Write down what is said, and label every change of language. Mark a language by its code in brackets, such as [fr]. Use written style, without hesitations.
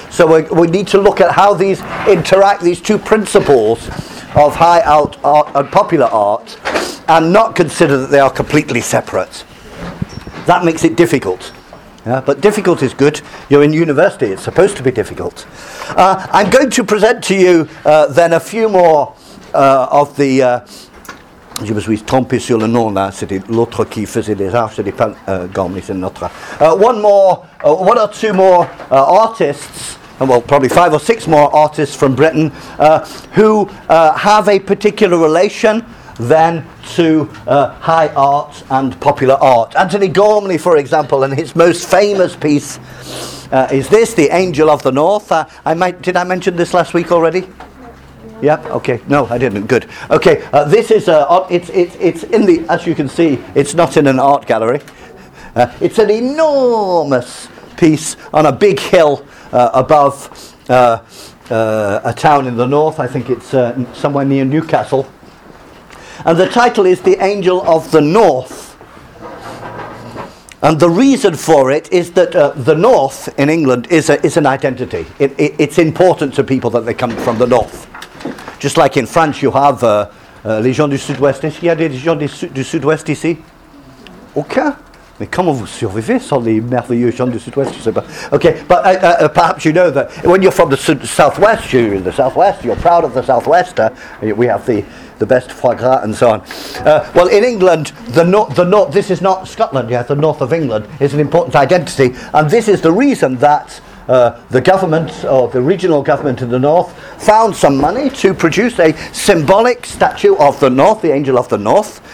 [en] So we need to look at how these interact, these two principles of high art and popular art, and not consider that they are completely separate. That makes it difficult. Yeah, but difficult is good. You're in university. It's supposed to be difficult. I'm going to present to you then a few more of the... [fr] Je me suis trompé sur le nom là. C'était l'autre qui faisait les arts. C'était pas Gormley, c'est notre. [en] One or two more artists, well, probably five or six more artists from Britain, who have a particular relation then to high art and popular art. Anthony Gormley, for example, and his most famous piece is this, The Angel of the North. Did I mention this last week already? Yeah, okay. No, I didn't. Good. Okay, this is, it's in the, as you can see, it's not in an art gallery. It's an enormous piece on a big hill above a town in the north. I think it's somewhere near Newcastle. And the title is The Angel of the North. And the reason for it is that the North in England is an identity. It's important to people that they come from the North. Just like in France, you have [fr] les gens du Sud-Ouest. Est-ce qu'il y a des gens du Sud-Ouest ici? Aucun. Mais comment vous survivez sans les merveilleux gens du Sud-Ouest? [en] Okay, but perhaps you know that when you're from the Southwest, you're in the Southwest, you're proud of the Southwest. We have the best foie gras and so on. Well, in England, this is not Scotland, yeah, the north of England is an important identity. And this is the reason that the government, or the regional government in the north, found some money to produce a symbolic statue of the north, the Angel of the North.